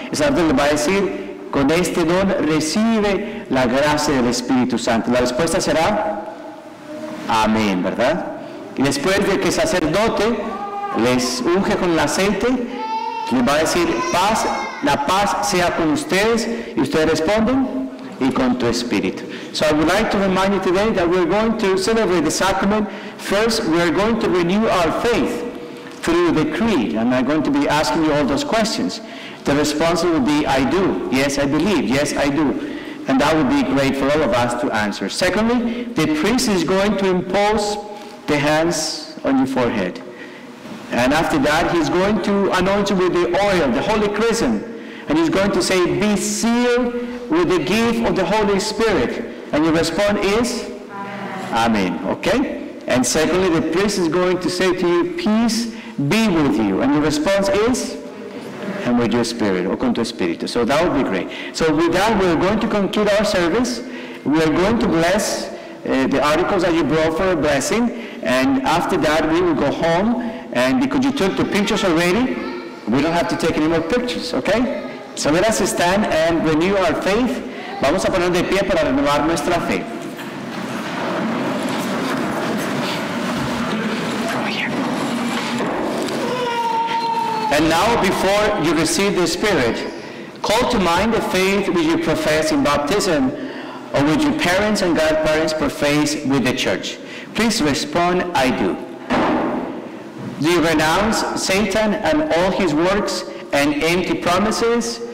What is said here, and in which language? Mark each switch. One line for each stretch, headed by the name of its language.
Spanish: El Santo le va a decir, con este don recibe la gracia del Espíritu Santo. La respuesta será, amén, ¿verdad? Y después de que el sacerdote les unge con el aceite, les va a decir, paz, la paz sea con ustedes, y ustedes responden, y con tu espíritu.
English: So I would like to remind you today that we're going to celebrate the sacrament. First, we are going to renew our faith through the creed. I'm not going to be asking you all those questions. The response will be, I do. Yes, I believe. Yes, I do. And that would be great for all of us to answer. Secondly, the priest is going to impose the hands on your forehead. And after that, he's going to anoint you with the oil, the holy chrism. And he's going to say, be sealed with the gift of the Holy Spirit. And your response is? Amen. Amen. Okay? And secondly, the priest is going to say to you, peace be with you. And your response is? And with your spirit, or
Spanish: con tu espíritu.
English: So that would be great. So with that, we're going to conclude our service. We are going to bless the articles that you brought for a blessing. And after that, we will go home. And because you took the pictures already, we don't have to take any more pictures, okay? So let us stand and renew our faith.
Spanish: Vamos a poner de pie para renovar nuestra fe.
English: And now, before you receive the Spirit, call to mind the faith which you profess in baptism or which your parents and godparents profess with the church. Please respond, I do. Do you renounce Satan and all his works and empty promises?